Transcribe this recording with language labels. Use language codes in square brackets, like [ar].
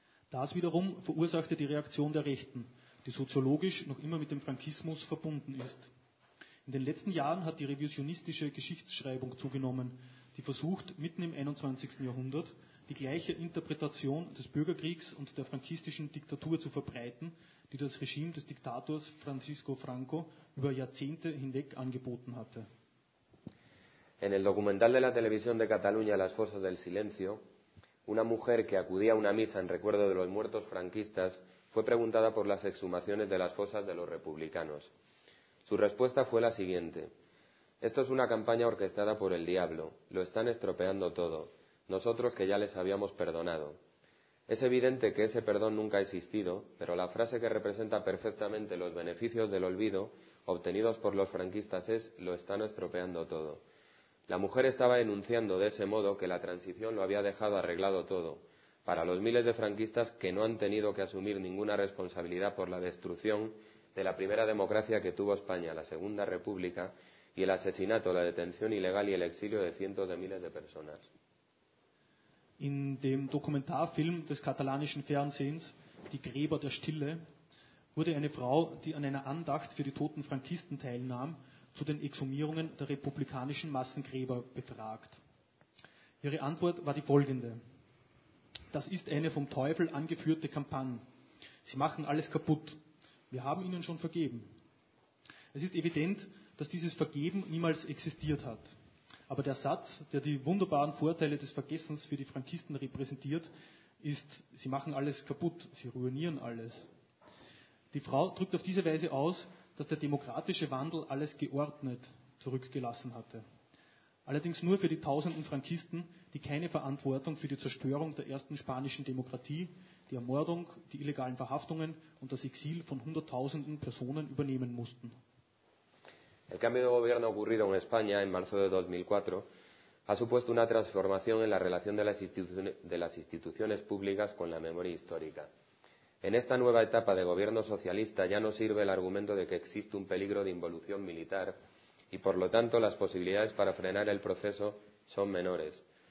[de] Das wiederum verursachte die Reaktion der Rechten, die soziologisch noch immer mit dem Frankismus verbunden ist. In den letzten Jahren hat die revisionistische Geschichtsschreibung zugenommen, die versucht, mitten im 21. Jahrhundert die gleiche Interpretation des Bürgerkriegs und der frankistischen Diktatur zu verbreiten, die das Regime des Diktators Francisco Franco über Jahrzehnte hinweg angeboten hatte. [es] En el documental de la televisión de Cataluña, Las Fosas del Silencio, una mujer que acudía a una misa en recuerdo de los muertos franquistas fue preguntada por las exhumaciones de las fosas de los republicanos. Su respuesta fue la siguiente: esto es una campaña orquestada por el diablo, lo están estropeando todo, nosotros que ya les habíamos perdonado. Es evidente que ese perdón nunca ha existido, pero la frase que representa perfectamente los beneficios del olvido obtenidos por los franquistas es: lo están estropeando todo. La mujer estaba denunciando de ese modo que la transición lo había dejado arreglado todo, para los miles de franquistas que no han tenido que asumir ninguna responsabilidad por la destrucción de la primera democracia que tuvo España, la Segunda República, y el asesinato, la detención ilegal y el exilio de cientos de miles de personas. [de] In dem Dokumentarfilm des katalanischen Fernsehens Die Gräber der Stille wurde eine Frau, die an einer Andacht für die toten Frankisten teilnahm, zu den Exhumierungen der republikanischen Massengräber befragt. Ihre Antwort war die folgende: das ist eine vom Teufel angeführte Kampagne. Sie machen alles kaputt. Wir haben ihnen schon vergeben. Es ist evident, dass dieses Vergeben niemals existiert hat. Aber der Satz, der die wunderbaren Vorteile des Vergessens für die Frankisten repräsentiert, ist: sie machen alles kaputt, sie ruinieren alles. Die Frau drückt auf diese Weise aus, dass der demokratische Wandel alles geordnet zurückgelassen hatte. Allerdings nur für die tausenden Frankisten, die keine Verantwortung für die Zerstörung der ersten spanischen Demokratie, die Ermordung, die illegalen Verhaftungen und das Exil von hunderttausenden Personen übernehmen mussten. [es] El cambio de gobierno ocurrido en España en marzo de 2004 ha supuesto una transformación en la relación de las instituciones públicas con la memoria histórica. En esta nueva etapa de gobierno socialista ya no sirve el argumento de que existe un peligro de involución militar y, por lo tanto, las posibilidades para frenar el proceso son menores.